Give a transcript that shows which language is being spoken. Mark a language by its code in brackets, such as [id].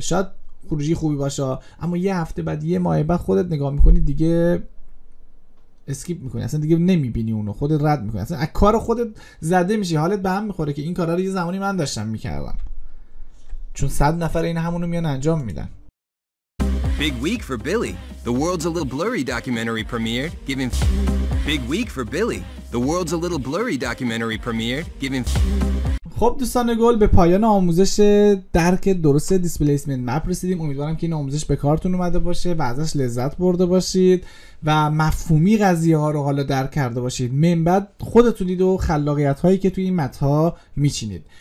[fa] شاید خروجی خوبی باشه اما یه هفته بعد یه ماه بعد خودت نگاه می‌کنی دیگه اسکیپ میکنی، اصلا دیگه نمیبینی اونو، خودت رد می‌کنی، اصلا از کار خودت زده میشی، حالت به هم می‌خوره که این کارا رو یه زمانی من داشتم می‌کردم، چون 100 نفر این همونو میان انجام میدن. [en] Big week for Billy. The world's a little blurry documentary premiered. Giving Big week for Billy. The world's a little blurry documentary premiered. [fa] Giving خب دوستان گل، به پایان آموزش درک درست دیسپلیسمنت مپ رسیدیم. امیدوارم که این آموزش به کارتون اومده باشه و ازش لذت برده باشید و مفهومی قضیه ها رو حالا درک کرده باشید. من بعد خودتونید و خلاقیت هایی که توی این متن ها میچینید.